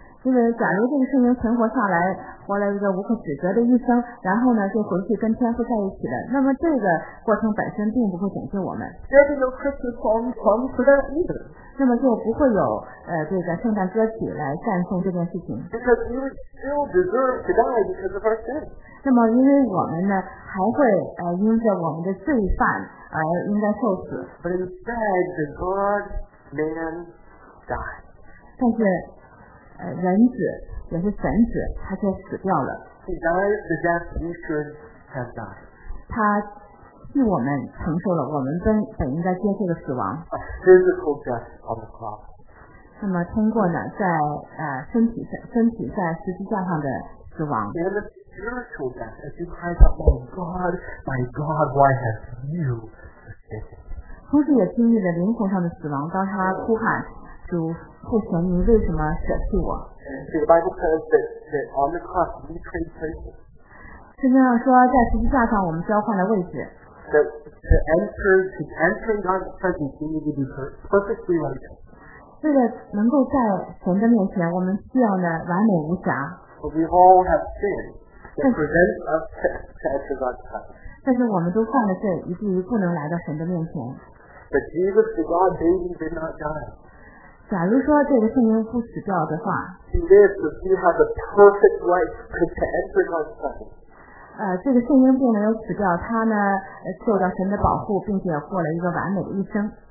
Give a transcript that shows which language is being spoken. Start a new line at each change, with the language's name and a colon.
Chinese: 就是假如这个圣婴存活下来，活了一个无可指责的一生，然后呢就回去跟天父在一起了，那么这个过程本身并不会拯救我们。
English: There'd be no Christmas song come for that either.
Chinese: 那么就不会有这个圣诞歌曲来赞颂这件事情。
English: Because we still deserve to die because of our sin.
Chinese: 那么因为我们呢还会因着我们的罪犯而应该受死。
English: But instead, the God man died.
Chinese: 但是人子也是神子，他却死掉了。他替我们承受了我们本应该接受的死亡。
English: A physical death on the cross.
Chinese: 那么通过呢，在身体在十字架上的死亡。
English: And a spiritual death as you cry out, "Oh God, my God, why have you forsaken?"
Chinese: 同时也经历了灵魂上的死亡，当他哭喊。父神，你为什么舍弃我？
English: See, the Bible says that on the cross we trade places.
Chinese: 圣经上说，在十字架上我们交换了位置。
English: To enter God's presence, we need to be perfectly righteous.
Chinese: 为了能够在神的面前，我们需要呢完美无瑕。
English: But we all have sin that prevents us to enter God's presence.
Chinese: 但是我们都犯了罪，以至于不能来到神的面前。
English: But Jesus, the God baby, did not die.
Chinese: 假如说这个圣婴不死掉的话，这个圣婴并没有死掉，他呢受到神的保护，并且过了一个完美的一生。